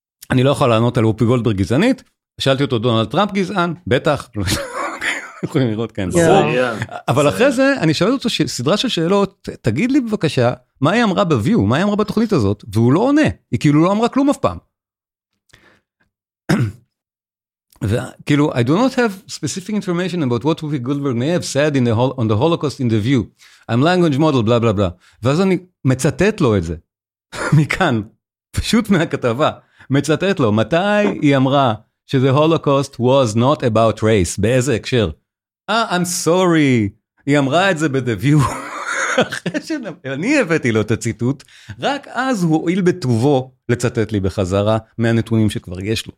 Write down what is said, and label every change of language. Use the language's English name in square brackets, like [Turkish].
[Hebrew] אני לא יכול לענות על רופי גולדברג גזענית. שאלתי אותו, דונלד טראמפ גזען? בטח. יכולים לראות כאן. אבל אחרי זה, אני שואל אותו סדרה של שאלות, תגיד לי בבקשה, מה היא אמרה בוויו, מה היא אמרה בתוכנית הזאת, והוא לא עונה, היא כאילו לא אמרה כלום אף פעם. [English] וכאילו, I do not have specific information about what Whoopi Goldberg may have said on the Holocaust in the view. I'm language model, blah, blah, blah. [Hebrew] ואז אני מצטט לו את זה, מכאן, פשוט מהכתבה, מצטט לו, מתי היא אמרה, ש [English] the Holocaust was not about race, [Hebrew] באיזה הקשר? [English] I'm sorry, [Hebrew] היא אמרה את זה ב-The View, אחרי שאני הבאתי לו את הציטוט, רק אז הוא הועיל בטובו, לצטט לי בחזרה, מהנתונים שכבר יש לו.